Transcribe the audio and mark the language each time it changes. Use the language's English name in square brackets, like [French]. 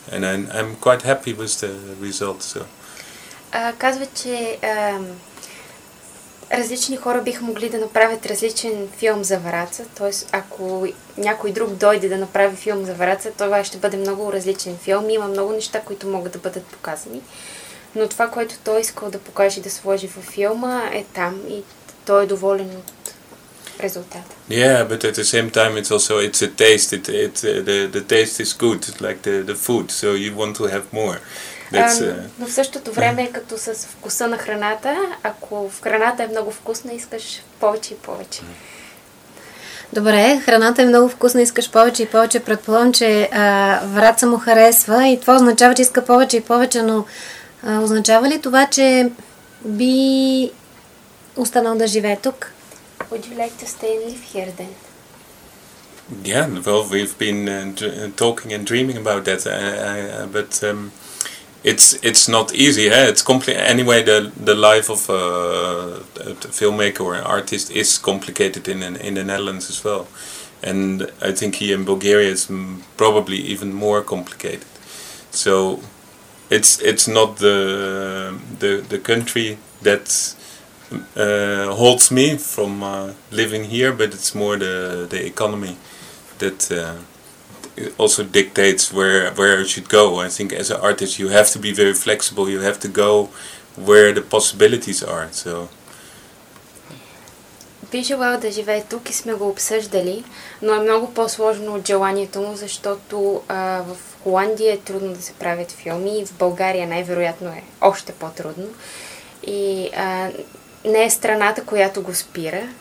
[English] And I'm quite happy with the result, so. [Bulgarian] Казва, че различни хора биха могли да направят различен филм за Враца. Т.е. ако някой друг дойде да направи филм за Враца, това ще бъде много различен филм. Има много неща, които могат да бъдат показани. Но това, което той искал да покаже и да сложи във филма, е там и той е доволен от резултата. [English] Yeah, but at the same time it's also it's a taste. The taste is good, like the food, so you want to have more. [Bulgarian] Но в същото време е като с вкуса на храната. Ако в храната е много вкусна, искаш повече и повече. Добре, храната е много вкусна, искаш повече и повече. Предполагам, че Враца му харесва и това означава, че иска повече и повече, но означава ли това, че би останал да живее тук? [English] Would you like to stay and live here then? Yeah, well, we've been talking and dreaming about that, but It's not easy, eh? It's anyway, the life of a filmmaker or an artist is complicated in the Netherlands as well. And I think here in Bulgaria it's probably even more complicated. So it's not the country that holds me from living here, but it's more the economy that it also dictates where it should go. I think as an artist you have to be very flexible, you have to go where the possibilities are. So [Bulgarian] би желал да живее тук и сме го обсъждали, но е много по-сложно от желанието му, защото в Холандия е трудно да се правят филми и в България най-вероятно е още по-трудно. И не е страната, която го спира.